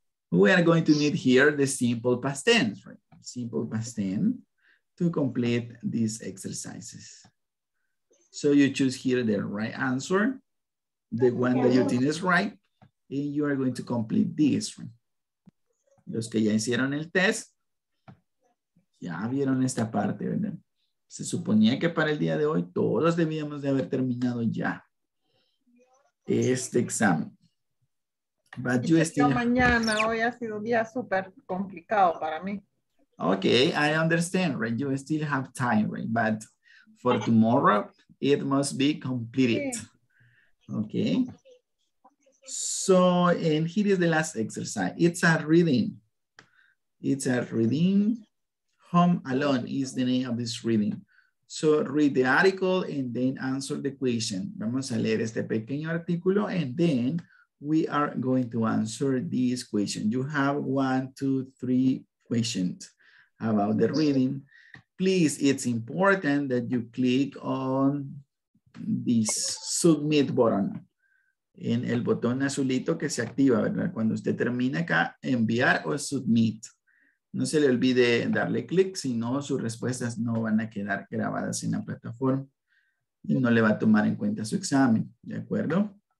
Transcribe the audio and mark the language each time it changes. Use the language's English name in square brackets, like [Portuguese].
[English] We are going to need here the simple past tense, right? Simple past tense to complete these exercises. So you choose here the right answer, the one that you think is right, and you are going to complete this, right? [Spanish] Los que ya hicieron el test, ya vieron esta parte, ¿verdad? Se suponía que para el día de hoy todos debíamos de haber terminado ya este examen. [English] But you still... [Spanish] mañana, hoy ha sido un día súper complicado para mí. [English] Okay, I understand, right? You still have time, right? But for tomorrow, it must be completed. Okay. So, and here is the last exercise. It's a reading. It's a reading. Home Alone is the name of this reading. So read the article and then answer the question. [Spanish] Vamos a leer este pequeño artículo [English] and then we are going to answer this question. You have 1, 2, 3 questions about the reading. Please, it's important that you click on this submit button. [Spanish] En el botón azulito que se activa, ¿verdad? Cuando usted termina acá, enviar o submit. No se le olvide darle clic, si no, sus respuestas no van a quedar grabadas en la plataforma y no le va a tomar en cuenta su examen, ¿de acuerdo?